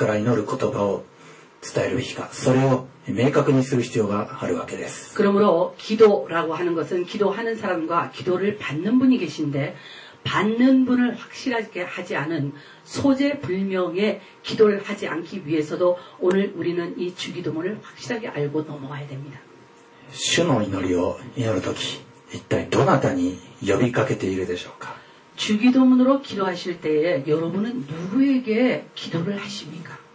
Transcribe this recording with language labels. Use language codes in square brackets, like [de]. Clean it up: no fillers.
[ja] そのようなですね、聞いてくださるべき相手を無視するかのような、そのような祈りもどきを防ぐためにも私たちはまずどなたにこれから祈る言葉を伝えるべきか、それを 明確にする必要があるわけです。 [ko] 그러므로 기도라고 하는 것은 기도하는 사람과 기도를 받는 분이 계신데 받는 분을 확실하게 하지 않은 소재 불명의 기도를 하지 않기 위해서도 오늘 우리는 이 주기도문을 확실하게 알고 넘어가야 됩니다. [ja] 主の祈りを祈るとき、一体どなたに呼びかけているでしょうか? [ko] 주기도문으로 기도하실 때에 여러분은 누구에게 기도를 하십니까?